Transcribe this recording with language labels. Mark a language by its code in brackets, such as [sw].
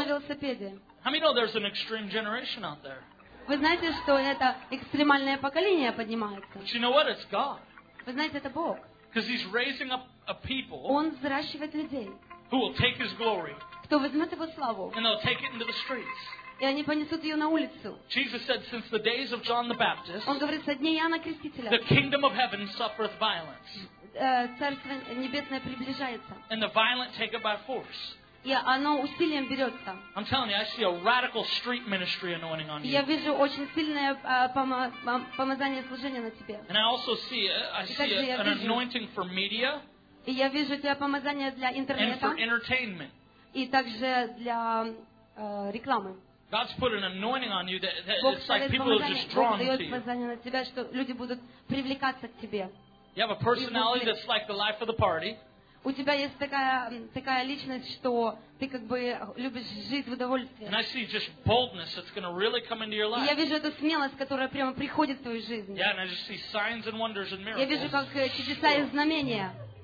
[en] How many know there's an extreme generation out there? [ru] Вы знаете, что это экстремальное поколение поднимается. [en] But you know what? It's God. [ru] Вы знаете, это Бог. [en] Because He's raising up a people. [ru] Он взращивает людей. [en] Who will take His glory? [ru] Кто возьмет Его славу? [en] And they'll take it into the streets. [ru] И они понесут ее на улицу. [en] Jesus said, since the days of John the Baptist, [ru] он говорит, со дней Иоанна Крестителя, [en] the kingdom of heaven suffereth violence. [ru] Царство небесное приближается. [en] And the violent take it by force. [ru] И оно усилием берется. [en] I'm telling you, I see a radical street ministry anointing on you. [ru] Я вижу очень сильное помазание служения на тебе. [en] And I also see, an anointing for media. [ru] И я вижу тебя помазание для интернета. [en] And for entertainment. [ru] И также для рекламы. [en] God's put an anointing on you that it's like people are just drawn to you. [ru] Бог дает помазание на тебя, что люди будут привлекаться к тебе. [en] You have a personality that's like the life of the party. [ru] У тебя есть такая личность, что ты как бы любишь жить в удовольствии. [en] Really, [ru] и я вижу эту смелость, которая прямо приходит в твою жизнь. Я вижу, как чудеса и знамения.